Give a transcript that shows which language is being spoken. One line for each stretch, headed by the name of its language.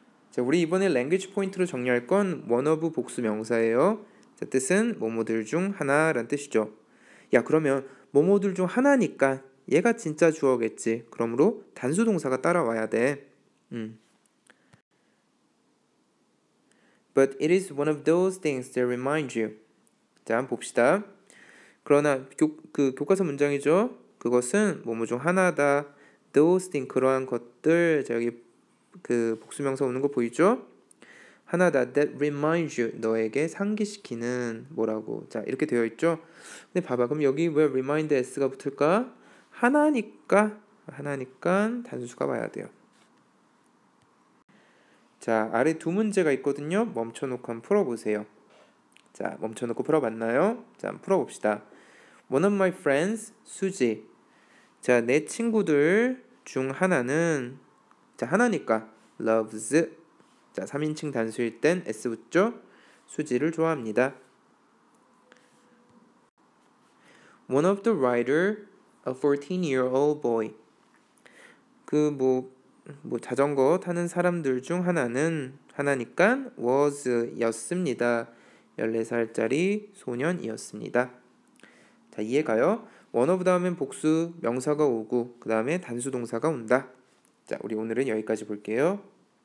Korean: 자, 우리 이번에 language 포인트로 정리할 건 one of 복수 명사예요. 자, 뜻은 뭐뭐들 중 하나란 뜻이죠. 야, 그러면 뭐뭐들 중 하나니까 얘가 진짜 주어겠지. 그러므로 단수 동사가 따라와야 돼.
English: But it is one of those things that remind you.
Korean: 자, 한번 봅시다. 그러나 그 교과서 문장이죠. 그것은 뭐뭐 중 하나다. Those things, 그러한 것들. 자, 여기 그 복수명사 오는 거 보이죠? 하나다.
English: That reminds you.
Korean: 너에게 상기시키는 뭐라고. 자, 이렇게 되어 있죠. 근데 봐봐. 그럼 여기 왜 remind s가 붙을까? 하나니까. 하나니까 단수가 와야 돼요. 자, 아래 두 문제가 있거든요. 멈춰놓고 한번 풀어보세요. 자, 멈춰놓고 풀어봤나요?
English: 자,
Korean: 한번 풀어봅시다.
English: One of my friends, 수지.
Korean: 자, 내 친구들 중 하나는, 자, 하나니까 loves. 자, 3인칭 단수일 땐 s 붙죠? 수지를 좋아합니다.
English: One of the rider, a 14-year-old boy.
Korean: 그 자전거 타는 사람들 중 하나는, 하나니까 was였습니다. 14살짜리 소년이었습니다. 자, 이해가요? 원어브 다음엔 복수 명사가 오고 그 다음에 단수 동사가 온다. 자, 우리 오늘은 여기까지 볼게요.